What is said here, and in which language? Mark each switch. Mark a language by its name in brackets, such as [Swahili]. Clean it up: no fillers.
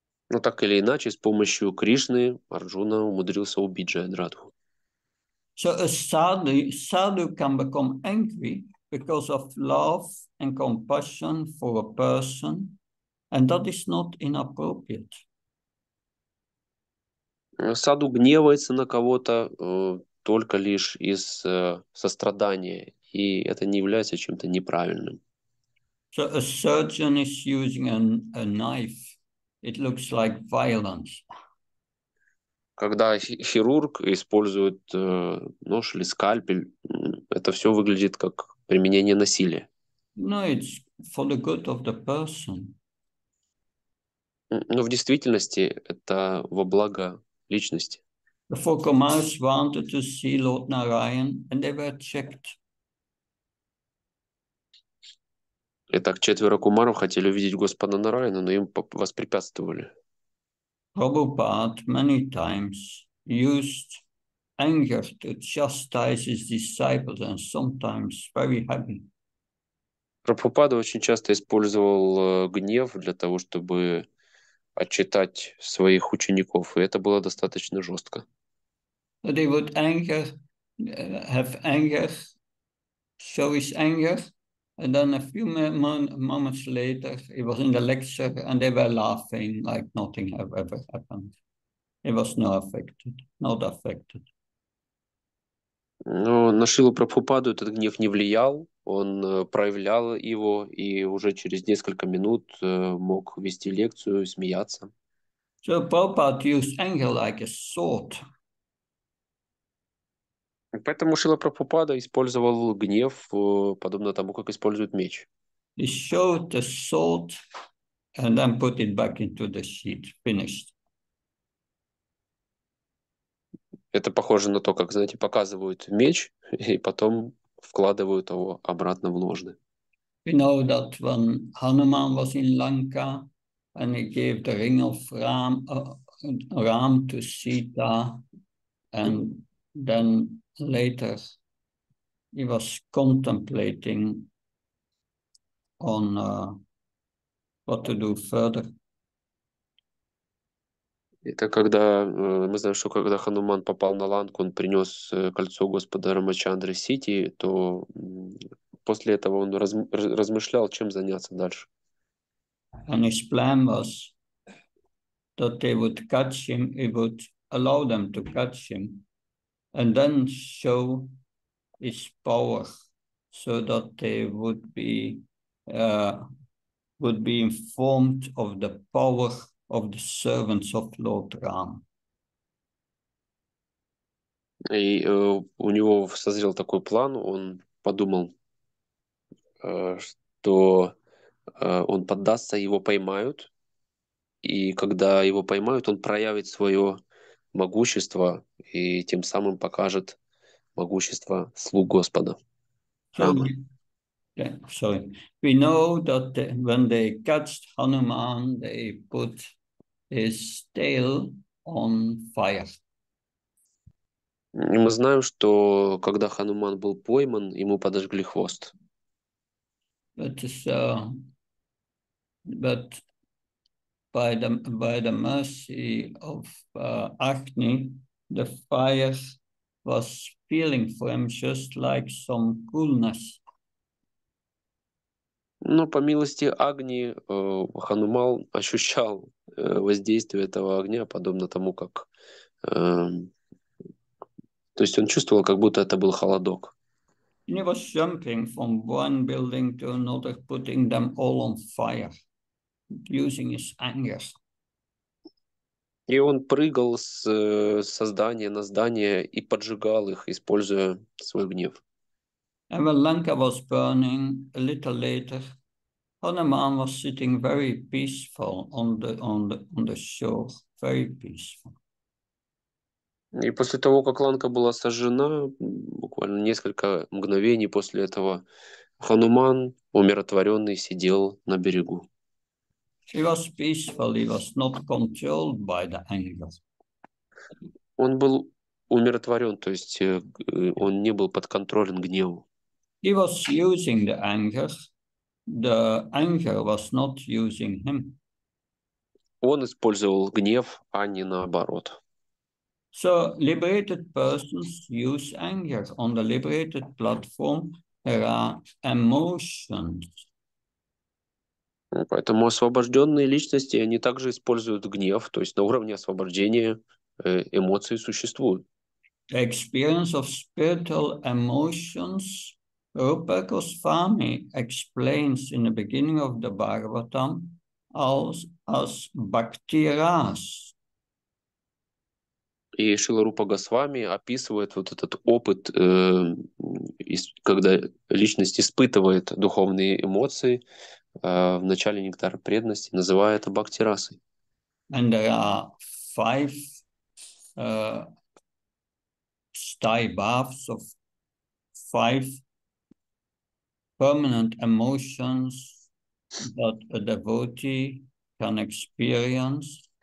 [Russian] Ну, так или иначе, с помощью Кришны Арджуна умудрился убить Джаядратху. [English] So a sadhu can become angry because of love and compassion for a person, and that is not inappropriate. [Russian] Саду гневается на кого-то только лишь из сострадания, и это не является чем-то неправильным. [English] So a surgeon is using a knife. It looks like violence. [Russian] Когда хирург использует нож или скальпель, это все выглядит как применение насилия. [English] No, it's for the good of the person. [Russian] Но в действительности это во благо личности. [English] The four Kumaras wanted to see Lord Narayan, and they were checked. [Russian] Итак, четверо кумаров хотели увидеть Господа Нараяну, но им воспрепятствовали. [English] Prabhupada many times used anger to chastise his disciples, and sometimes very happy. [Russian] Прабхупада очень часто использовал гнев для того, чтобы отчитать своих учеников, и это было достаточно жестко. [English] They would anger, have anger, show his anger, and then a few moments later, he was in the lecture, and they were laughing like nothing ever happened. He was not affected. [Russian] Но на Шрилу Прабхупаду этот гнев не влиял. Он проявлял его и уже через несколько минут мог вести лекцию, смеяться. [English] So Prabhupada used anger like a sword. [Russian] Поэтому Шрила Прабхупада использовал гнев подобно тому, как использует меч. [English] He showed the sword and then put it back into the sheath. Finished. [Russian] Это похоже на то, как, знаете, показывают меч и потом вкладывают его обратно в ножны. [English] We know that when Hanuman was in Lanka and he gave the ring of Ram to Sita, and then later he was contemplating on what to do further. [Russian] Это когда, мы знаем, что когда Хануман попал на Ланку, он принес кольцо Господа Рамачандры Сити, то после этого он размышлял, чем заняться дальше. [English] And his plan was that they would catch him, he would allow them to catch him, and then show his power so that they would be informed of the power of the servants of Lord Ram. [Russian] И у него созрел такой план, он подумал, что он поддастся, его поймают, и когда его поймают, он проявит свое могущество и тем самым покажет могущество слуг Господа. [English] Sorry. We know that when they catched Hanuman, they put his tail on fire. [Russian] И мы знаем, что когда Хануман был пойман, ему подожгли хвост. [English] But by the mercy of Agni, the fire was feeling for him just like some coolness. [Russian] Но по милости Агни Ханумал ощущал воздействие этого огня, подобно тому, как... То есть он чувствовал, как будто это был холодок. [English] He was jumping from one building to another, putting them all on fire, using his anger. [Russian] И он прыгал со здания на здание и поджигал их, используя свой гнев. [English] And when Lanka was burning a little later, Hanuman was sitting very peaceful on the shore, very peaceful. [Russian] И после того, как Ланка была сожжена, буквально несколько мгновений после этого, Хануман, умиротворенный, сидел на берегу. [English] He was peaceful, he was not controlled by the anger. [Russian] Он был умиротворен, то есть он не был подконтролен гневу. [English] He was using the anger was not using him. [Russian] Он использовал гнев, а не наоборот. [English] So liberated persons use anger. On the liberated platform there are emotions. [Russian] Поэтому освобожденные личности, они также используют гнев, то есть на уровне освобождения эмоции существуют. [English] The experience of spiritual emotions, Rupa Goswami explains in the beginning of the Bhagavatam as bhakti ras. [Russian] И Шрила Рупа Госвами описывает вот этот опыт, когда личность испытывает духовные эмоции в начале нектара преданности, называя это бхакти-расой. [English] And there are five sthayi bhavas of five permanent emotions that a devotee can experience.